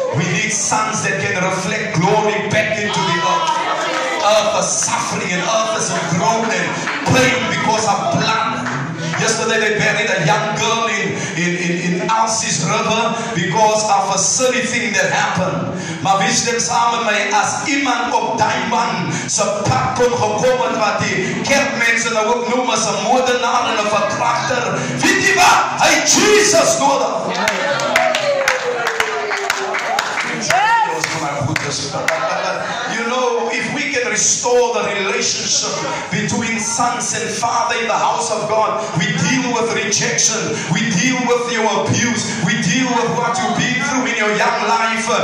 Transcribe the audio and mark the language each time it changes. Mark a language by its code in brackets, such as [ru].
[en] We need sons that can reflect glory back into the earth. Earth is suffering and earth is groaning and pain because of blood. Yesterday they buried a young girl in Alsace River because of a silly thing that happened. [af] Maar wie stem saam met my as iemand op daai man se pad kon gekom het wat die kerkmense nou ook noem as 'n moordenaar en 'n verkrachter? Weet jy wat? Hy Jesus nodig. [en] You know, if we can restore the relationship between sons and father in the house of God, we deal with rejection, we deal with your abuse, we deal with what you've been through in your young life,